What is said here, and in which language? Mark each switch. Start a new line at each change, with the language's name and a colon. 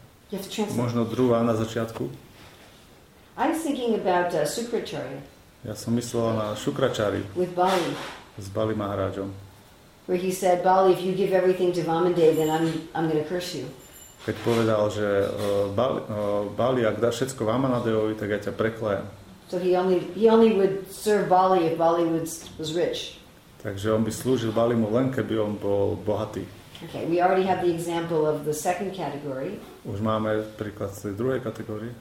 English: Yes,
Slovak: možno druhá na začiatku.
English: I'm thinking about Sukracharya.
Slovak: Ja som myslela na Sukracharyu.
English: With Bali.
Slovak: S Bali Maharajom.
English: Where he said, Bali, if you give everything to Vamadeva, then I'm going to curse you.
Slovak: Keď povedal, že Bali, ak dáš všetko Vamanadevovi, tak ja ťa preklejem.
English: So he only would serve Bali if Bali was rich.
Slovak: Takže on by slúžil Balimu len keby on bol bohatý.
English: Okay, we already have the example of the second category.
Slovak: Už máme príklad z druhej kategórie.